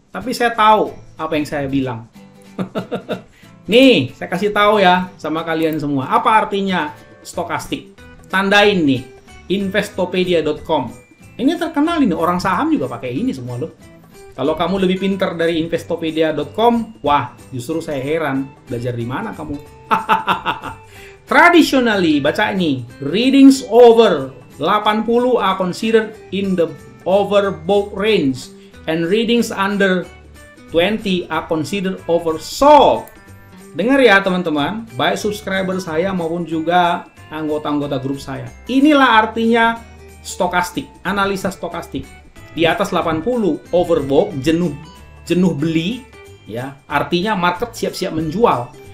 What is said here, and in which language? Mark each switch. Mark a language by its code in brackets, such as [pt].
[id] Tapi saya tahu apa yang saya bilang. Nih, saya kasih tahu ya sama kalian semua. Apa artinya stokastik? Tandain nih. Investopedia.com. Ini terkenal ini, orang saham juga pakai ini semua loh. Kalau kamu lebih pintar dari Investopedia.com, wah justru saya heran, belajar di mana kamu? [en] Traditionally, [id] baca ini, [en] readings over 80 are considered in the overbought range and readings under 20 are considered oversold. [id] Dengar ya teman-teman, baik subscriber saya maupun juga anggota-anggota grup saya. Inilah artinya stokastik, analisa stokastik. Di atas 80, overbought, jenuh beli, ya. Artinya market siap-siap menjual.